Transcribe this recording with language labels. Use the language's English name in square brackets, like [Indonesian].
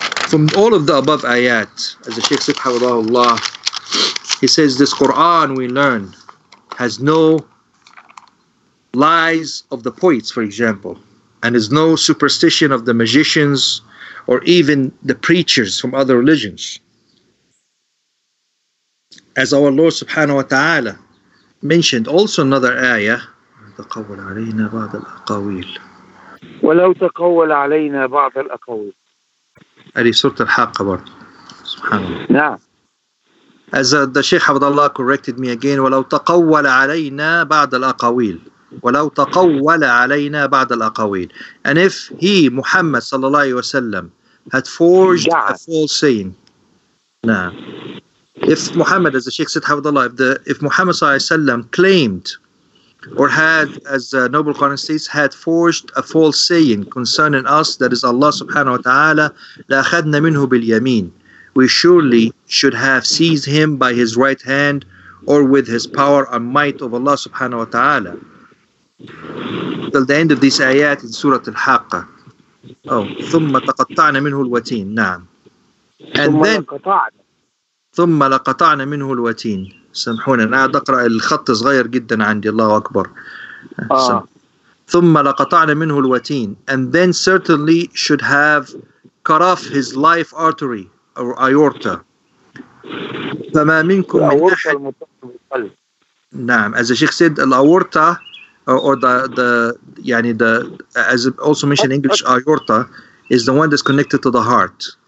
[English] From all of the above ayat, as the Shaykh Subhanallah, he says, this Quran we learn has no lies of the poets, for example, and is no superstition of the magicians or even the preachers from other religions. As our Lord Subhanahu wa Ta'ala mentioned also another ayah. [Arabic] تقول علينا بعض الأقاويل. ولو تقول علينا بعض الأقاويل. هذه سورة الحاقة برضو. سبحان الله. نعم. [English] As the Sheikh Abdullah corrected me again. [Arabic] ولو تقول علينا بعض الأقاويل. ولو تقول علينا بعض الأقاويل. [English] And if he Muhammad [Arabic] صلى الله عليه وسلم [English] had forged a false saying. [Arabic] نعم. [English] If Muhammad, as the Sheikh said, Havadullah, if Muhammad sallallahu alayhi wa sallam claimed or had, as the Noble Quran states, had forged a false saying concerning us, that is Allah subhanahu wa ta'ala, [Arabic] لَأَخَذْنَا مِنْهُ بِالْيَمِينَ, [English] we surely should have seized him by his right hand or with his power and might of Allah subhanahu wa ta'ala. Till the end of this ayat in Surah Al-Haqqah. Oh, [Arabic] ثُمَّ تَقَطَّعْنَا مِنْهُ الْوَتِينَ. Naam. [English] And then... [Arabic] ثم لقطعنا منه الوتين. سامحوني انا قاعد اقرا الخط صغير جدا عندي. الله اكبر. ثم لقطعنا منه الوتين. [English] And then certainly should have cut off his life artery or aorta. [Arabic] فما منكم من احد. نعم. [English] As the Sheikh said, [Arabic] الاورطه [English] or the يعني the, as also mentioned in English, aorta is the one that's connected to the heart.